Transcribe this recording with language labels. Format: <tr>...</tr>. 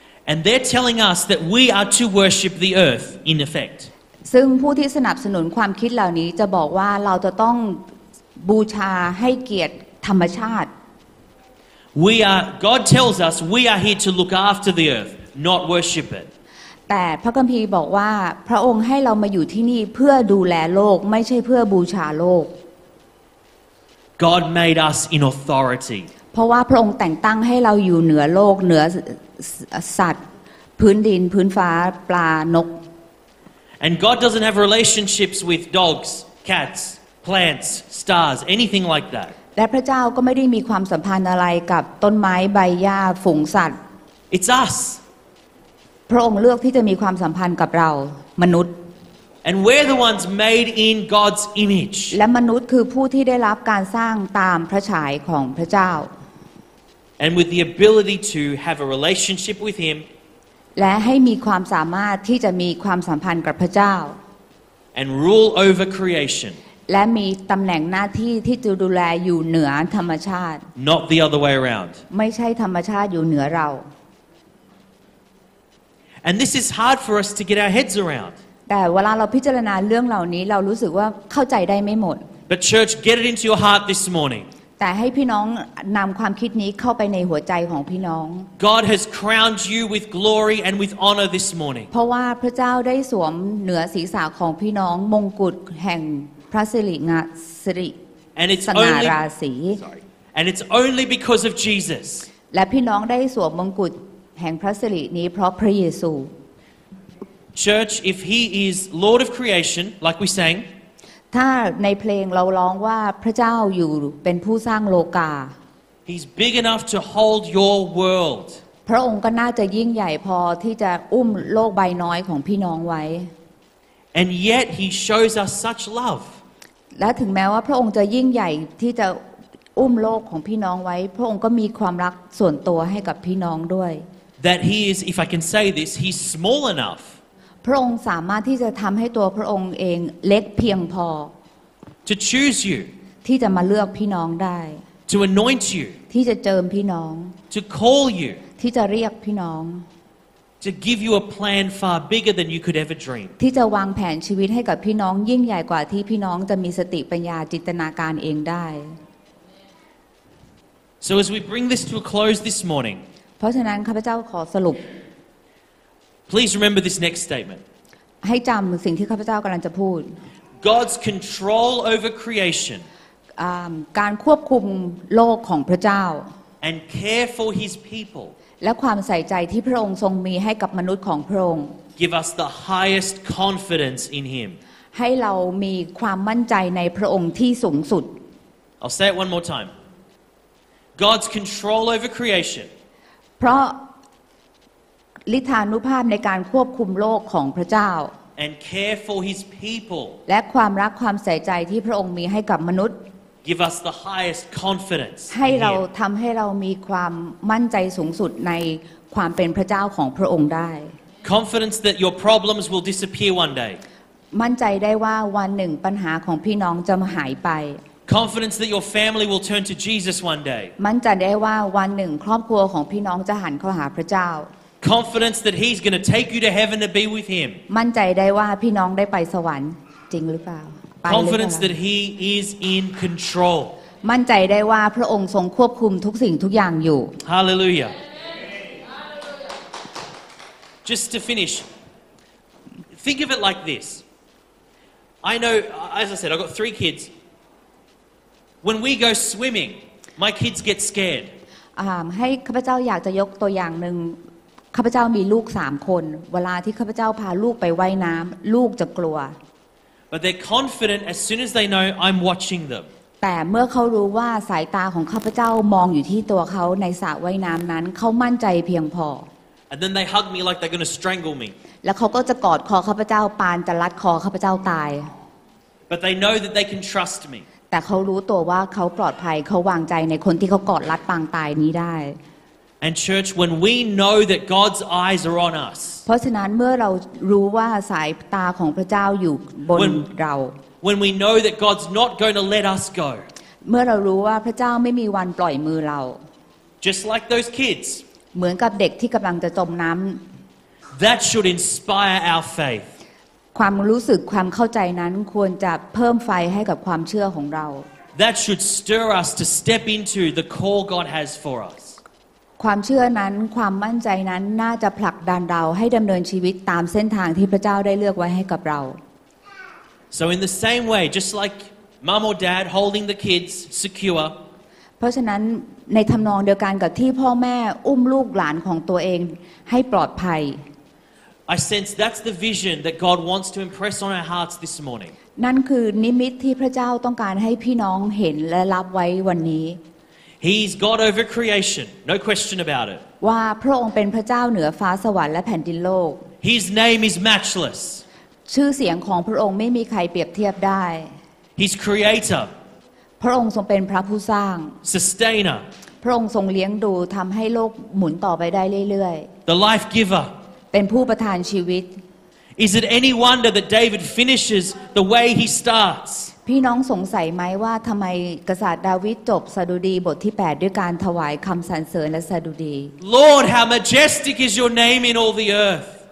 <en>And they're telling us that we are to worship the earth in effect</en> <th>ซึ่งผู้ที่สนับสนุนความคิดเหล่านี้จะบอกว่าเราจะต้องบูชาให้เกียรติธรรมชาติ</th> <en>We are God tells us we are here to look after the earth not worship it</en> <th>แต่พระคัมภีร์บอกว่าพระองค์ให้เรามาอยู่ที่นี่เพื่อดูแลโลกไม่ใช่เพื่อบูชาโลก</th> <en>God made us in authority</en> <th>เพราะว่าพระองค์แต่งตั้งให้เราอยู่เหนือโลกเหนือสัตว์พื้นดินพื้นฟ้าปลานก</th> <en>And God doesn't have relationships with dogs, cats, plants, stars, anything like that</en> <th>และพระเจ้าก็ไม่ได้มีความสัมพันธ์อะไรกับต้นไม้ใบหญ้าฝูงสัตว์</th> <en>It's us</en> <th>พระองค์เลือกที่จะมีความสัมพันธ์กับเรามนุษย์</th> <en>And we're the ones made in God's image</en> <th>และมนุษย์คือผู้ที่ได้รับการสร้างตามพระฉายของพระเจ้า</th> <en>And with the ability to have a relationship with him</en> <th>และให้มีความสามารถที่จะมีความสัมพันธ์กับพระเจ้า</th> <en>And rule over creation</en> <th>และมีตำแหน่งหน้าที่ที่จะดูแลอยู่เหนือธรรมชาติ</th> <en>Not the other way around</en> <th>ไม่ใช่ธรรมชาติอยู่เหนือเรา</th> <en>And this is hard for us to get our heads around.</en> <th>แต่เวลาเราพิจารณาเรื่องเหล่านี้เรารู้สึกว่าเข้าใจได้ไม่หมด</th> <en>But church, get it into your heart this morning.</en> <th>แต่ให้พี่น้องนำความคิดนี้เข้าไปในหัวใจของพี่น้อง</th> <en>God has crowned you with glory and with honor this morning.</en> <th>เพราะว่าพระเจ้าได้สวมเหนือศีรษะของพี่น้องมงกุฎแห่งพระสิริงาสิริสง่าราศี</th> <en>And it's only because of Jesus.</en> <th>และพี่น้องได้สวมมงกุฎแห่งพระสิรินี้เพราะพระเยซู</th> <en>Church if he is Lord of creation like we sang</en> <th>ถ้าในเพลงเราร้องว่าพระเจ้าอยู่เป็นผู้สร้างโลกา</th> <en>He's big enough to hold your world</en> <th>พระองค์ก็น่าจะยิ่งใหญ่พอที่จะอุ้มโลกใบน้อยของพี่น้องไว้</th> <en>And yet he shows us such love</en> <th>และถึงแม้ว่าพระองค์จะยิ่งใหญ่ที่จะอุ้มโลกของพี่น้องไว้พระองค์ก็มีความรักส่วนตัวให้กับพี่น้องด้วย</th> <en>That he is, if I can say this, he's small enough.</en> <th>พระองค์สามารถที่จะทำให้ตัวพระองค์เองเล็กเพียงพอ</th> <en>To choose you.</en> <th>ที่จะมาเลือกพี่น้องได้</th> <en>To anoint you.</en> <th>ที่จะเจิมพี่น้อง</th> <en>To call you.</en> <th>ที่จะเรียกพี่น้อง</th> <en>To give you a plan far bigger than you could ever dream.</en> <th>ที่จะวางแผนชีวิตให้กับพี่น้องยิ่งใหญ่กว่าที่พี่น้องจะมีสติปัญญาจินตนาการเองได้</th> <en>So as we bring this to a close this morning.</en> <th>เพราะฉะนั้นข้าพเจ้าขอสรุป</th> <en>Please remember this next statement</en> <th>ให้จำสิ่งที่ข้าพเจ้ากำลังจะพูด</th> <en>God's control over creation</en> <th>การควบคุมโลกของพระเจ้า</th> <en>and care for His people</en> <th>และความใส่ใจที่พระองค์ทรงมีให้กับมนุษย์ของพระองค์</th> <en>Give us the highest confidence in Him</en> <th>ให้เรามีความมั่นใจในพระองค์ที่สูงสุด</th> <en>I'll say it one more time God's control over creation</en> <th>เพราะฤทธานุภาพในการควบคุมโลกของพระเจ้า</th> <en>And care for his people</en> <th>และความรักความใส่ใจที่พระองค์มีให้กับมนุษย์</th> <en>Give us the highest confidence</en> <th>ให้เราทำให้เรามีความมั่นใจสูงสุดในความเป็นพระเจ้าของพระองค์ได้</th> <en>Confidence that your problems will disappear one day</en> <th>มั่นใจได้ว่าวันหนึ่งปัญหาของพี่น้องจะหายไป</th> <en>Confidence that your family will turn to Jesus one day.</en> <th>มั่นใจได้ว่าวันหนึ่งครอบครัวของพี่น้องจะหันเข้าหาพระเจ้า</th> <en>Confidence that he's going to take you to heaven to be with him.</en> <th>มั่นใจได้ว่าพี่น้องได้ไปสวรรค์จริงหรือเปล่า</th> <en>Confidence that he is in control.</en> <th>มั่นใจได้ว่าพระองค์ทรงควบคุมทุกสิ่งทุกอย่างอยู่</th> <en>Hallelujah. Just to finish, think of it like this. I know, as I said, I've got three kids. When we go swimming, my kids get scared.</en> <th>ให้ข้าพเจ้าอยากจะยกตัวอย่างหนึ่งข้าพเจ้ามีลูก3คนเวลาที่ข้าพเจ้าพาลูกไปว่ายน้ำลูกจะกลัว</th> <en>But they're confident as soon as they know I'm watching them.</en> <th>แต่เมื่อเขารู้ว่าสายตาของข้าพเจ้ามองอยู่ที่ตัวเขาในสระว่ายน้ำนั้นเขามั่นใจเพียงพอ</th> <en>And then they hug me like they're going to strangle me.</en> <th>แล้วเขาก็จะกอดคอข้าพเจ้าปานจะรัดคอข้าพเจ้าตาย</th> <en>But they know that they can trust me.</en> <th>แต่เขารู้ตัวว่าเขาปลอดภัยเขาวางใจในคนที่เขากอดรัดปางตายนี้ได้</th> <en>And church when we know that God's eyes are on us</en> <th>เพราะฉะนั้นเมื่อเรารู้ว่าสายตาของพระเจ้าอยู่บนเรา</th> <en>When we know that God's not going to let us go</en> <th>เมื่อเรารู้ว่าพระเจ้าไม่มีวันปล่อยมือเรา</th> <en>Just like those kids</en> <th>เหมือนกับเด็กที่กำลังจะจมน้ำ</th> <en>That should inspire our faith</en> <th>ความรู้สึกความเข้าใจนั้นควรจะเพิ่มไฟให้กับความเชื่อของเรา</th> <en>That should stir us to step into the call God has for us</en> <th>ความเชื่อนั้นความมั่นใจนั้นน่าจะผลักดันเราให้ดำเนินชีวิตตามเส้นทางที่พระเจ้าได้เลือกไว้ให้กับเรา</th> <en>So in the same way just like mom or dad holding the kids secure</en> <th>เพราะฉะนั้นในทำนองเดียวกันกับที่พ่อแม่อุ้มลูกหลานของตัวเองให้ปลอดภัย</th> <en>I sense that's the vision that God wants to impress on our hearts this morning.</en> <th>นั่นคือนิมิตที่พระเจ้าต้องการให้พี่น้องเห็นและรับไว้วันนี้</th> <en>He's God over creation, no question about it.</en> <th>ว่าพระองค์เป็นพระเจ้าเหนือฟ้าสวรรค์และแผ่นดินโลก</th> <en>His name is matchless.</en> <th>ชื่อเสียงของพระองค์ไม่มีใครเปรียบเทียบได้</th> <en>He's creator.</en> <th>พระองค์ทรงเป็นพระผู้สร้าง</th> <en>Sustainer.</en> <th>พระองค์ทรงเลี้ยงดูทำให้โลกหมุนต่อไปได้เรื่อย</th> <en>ๆ The life giver.</en> <th>เป็นผู้ประทานชีวิต</th> <en>Is it any wonder that David finishes the way he starts</en> <th>พี่น้องสงสัยไหมว่าทำไมกษัตริย์ดาวิดจบสดุดีบทที่8ด้วยการถวายคำสรรเสริญและสดุดี</th> <en>Lord how majestic is your name in all the earth</en>